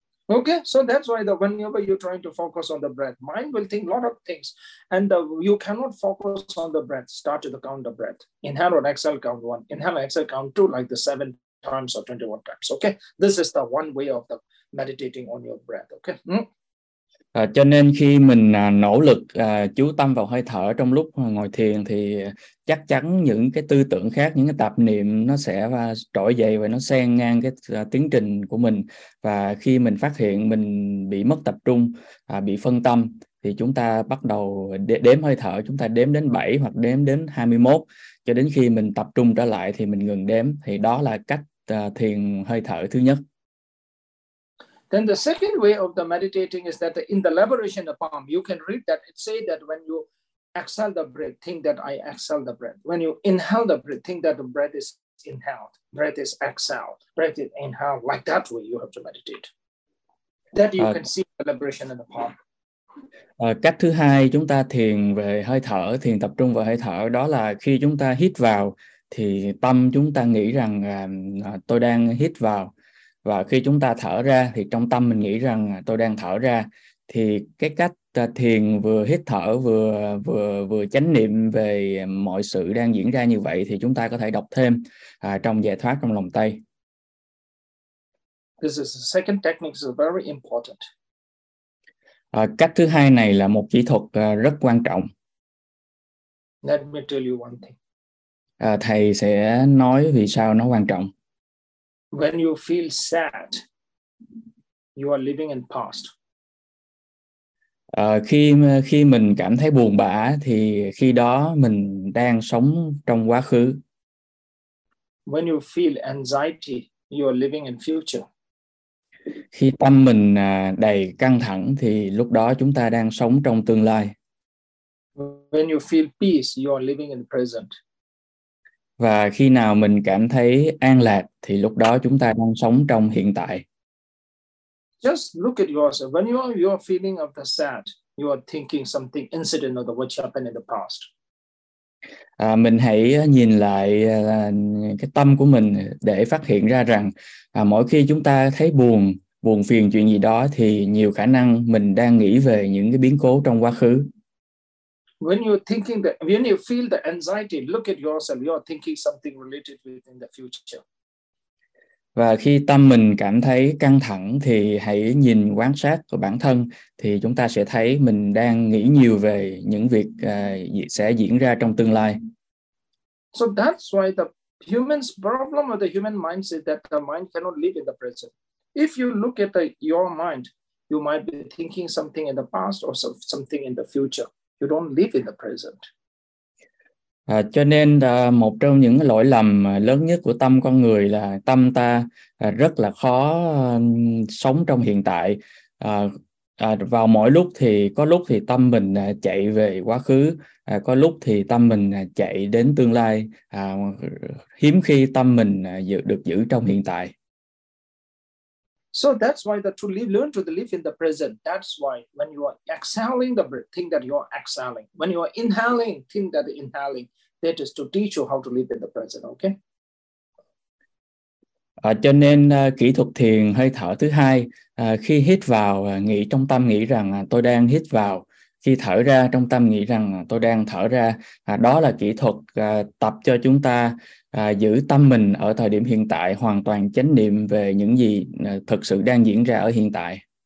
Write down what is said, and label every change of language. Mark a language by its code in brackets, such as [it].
[en] Okay, so that's why the whenever you're trying to focus on the breath, mind will think a lot of things, and you cannot focus on the breath. Start to count the breath. Inhale or exhale, count one. Inhale, exhale, count two, like the 7 times or 21 times. Okay, this is the one way of the meditating on your breath. Okay. [vi] Cho nên khi mình nỗ lực chú tâm vào hơi thở trong lúc ngồi thiền thì chắc chắn những cái tư tưởng khác, những cái tạp niệm nó sẽ trỗi dậy và nó xen ngang cái tiến trình của mình. Và khi mình phát hiện mình bị mất tập trung, bị phân tâm thì chúng ta bắt đầu đếm hơi thở, chúng ta đếm đến 7 hoặc đếm đến 21 cho đến khi mình tập trung trở lại thì mình ngừng đếm. Thì đó là cách thiền hơi thở thứ nhất. [en] Then the second way of the meditating is that in the liberation of palm, you can read that it say that when you exhale the breath, think that I exhale the breath. When you inhale the breath, think that the breath is inhaled, breath is exhaled, breath is inhaled. Like that way you have to meditate. That you can see the liberation of the palm. [vi] Cách thứ hai chúng ta thiền về hơi thở, thiền tập trung vào hơi thở, đó là khi chúng ta hít vào thì tâm chúng ta nghĩ rằng tôi đang hít vào. Và khi chúng ta thở ra thì trong tâm mình nghĩ rằng tôi đang thở ra. Thì cái cách thiền vừa hít thở vừa chánh niệm về mọi sự đang diễn ra như vậy thì chúng ta có thể đọc thêm trong giải thoát trong lòng tay. [en] This is the second technique, is very important. [vi] Cách thứ hai này là một kỹ thuật rất quan trọng. [en] Let me tell you one thing. [vi] Thầy sẽ nói vì sao nó quan trọng. [en] When you feel sad, you are living in past. [vi] Khi mình cảm thấy buồn bã thì khi đó mình đang sống trong quá khứ. [en] When you feel anxiety, you are living in future. [vi] Khi tâm mình đầy căng thẳng thì lúc đó chúng ta đang sống trong tương lai. [en] When you feel peace, you are living in present. [vi] Và khi nào mình cảm thấy an lạc thì lúc đó chúng ta đang sống trong hiện tại. [en] Just look at yourself. When you are feeling of the sad, you are thinking something incident of what happened in the past. [vi] Mình hãy nhìn lại cái tâm của mình để phát hiện ra rằng mỗi khi chúng ta thấy buồn, buồn phiền chuyện gì đó thì nhiều khả năng mình đang nghĩ về những cái biến cố trong quá khứ. [en] When you're thinking that, when you feel the anxiety, look at yourself. You're thinking something related within the future. [vi] Và khi tâm mình cảm thấy căng thẳng thì hãy nhìn quan sát của bản thân thì chúng ta sẽ thấy mình đang nghĩ nhiều về những việc sẽ diễn ra trong tương lai. [en] So that's why the human's problem of the human mind is that the mind cannot live in the present. If you look at your mind, you might be thinking something in the past or something in the future. You don't live in the present. [vi] Cho nên một trong những lỗi lầm lớn nhất của tâm con người là tâm ta rất là khó sống trong hiện tại. Vào mỗi lúc thì có lúc thì tâm mình chạy về quá khứ, có lúc thì tâm mình chạy đến tương lai. Hiếm khi tâm mình được giữ trong hiện tại. [en] So that's why the to live, learn to live in the present. That's why when you are exhaling the breath, think that you are exhaling. When you are inhaling, think that you're inhaling. That is to teach you how to live in the present, okay? [vi] Cho nên kỹ thuật thiền hơi thở thứ hai, khi hít vào, nghĩ trong tâm nghĩ rằng tôi đang hít vào. Khi thở ra, trong tâm nghĩ rằng tôi đang thở ra. Đó là kỹ thuật tập cho chúng ta giữ tâm mình ở thời điểm hiện tại, hoàn toàn chánh niệm về những gì thực sự đang diễn ra ở hiện tại.